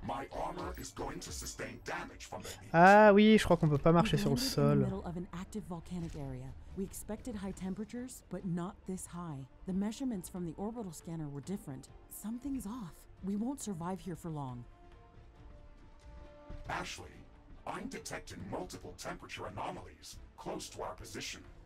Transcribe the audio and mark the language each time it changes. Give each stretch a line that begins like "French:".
English: My armor is going to sustain damage from the heat.
French: Ah oui, je crois qu'on peut pas marcher sur le sol.
English: In the middle of an active volcanic area. We expected high temperatures, but not this high. The measurements from the orbital scanner were different. Something's off. We won't survive here for long. Ashley, I'm detecting multiple temperature anomalies close to our position.